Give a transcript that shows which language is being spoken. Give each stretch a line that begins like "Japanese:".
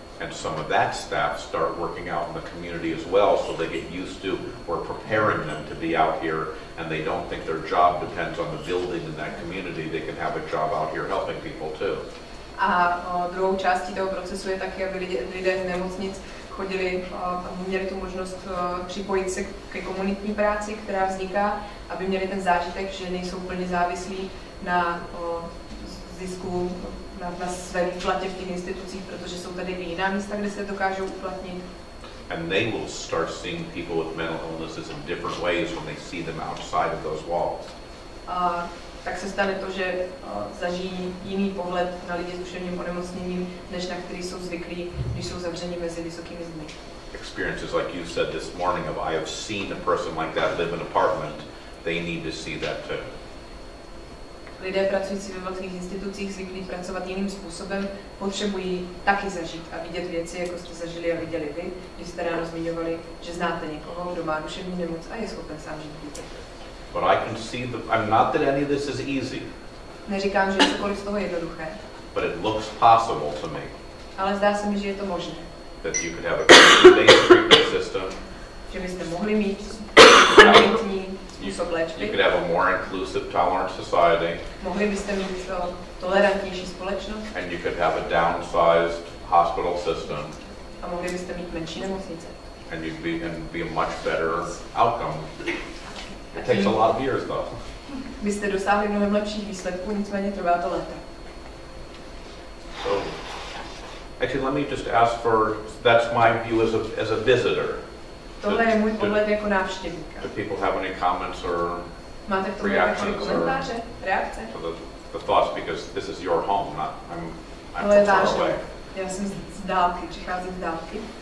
English: And some of that staff start working out in the community as well, so they get used to, we're preparing them to be out here, and they don't think their job depends on the building in that community, they can have a job out here helping people too.
Czech: A druhou částí toho procesu je taky, aby lidé z nemocnic chodili, měli tu možnost připojit se ke komunitní práci, která vzniká, aby měli ten zážitek, že nejsou úplně závislí na zisku, na své výplatě v těch institucích, protože jsou tady jiná místa, kde se dokážou uplatnit.
English: And they will start seeing people with mental illnesses in different ways when they see them outside of those walls.
Czech: Tak se stane to, že zažijí jiný pohled na lidi s duševním onemocněním, než na který jsou zvyklí, když jsou zavřeni mezi vysokými zdmi.
English: Experiences like you said this morning of I have seen a person like that live in an apartment, they need to see that too.
Czech: Lidé pracující ve velkých institucích zvyklí pracovat jiným způsobem, potřebují taky zažít a vidět věci, jako jste zažili a viděli vy, když jste ráno zmiňovali, že znáte někoho, kdo má duševní nemoc a je schopen sám žít víte.
English: But I can see the, I'm not that any of this is easy.
Czech: Neříkám, že cokoliv z toho je jednoduché.
English: But it looks possible to me.
Czech: Ale zdá se mi, že je to možné.
English: That you could have a community-based treatment system.
Czech: Že byste mohli mít komunitní způsob léčby.
English: You could have a more inclusive, tolerant society.
Czech: Mohli byste mít tolerantnější společnost.
English: And you could have a downsized hospital system.
Czech: A mohli byste mít menší nemocnice.
English: And you'd be and be a much better outcome. It takes a lot of years, though.
Czech: Byste dosáhli mnohem lepších výsledků, nicméně trvá to léta.
English: So, actually, let me just ask for that's my view as a visitor.
Czech: Tohle je můj pohled jako návštěvníka.
English: Do people have any comments or
Czech: máte k tomu
English: reactions
Czech: nějaké komentáře, reakce?
English: For the thoughts, because this is your home, not I'm far away.
Czech: Já jsem z dálky, přicházím z dálky.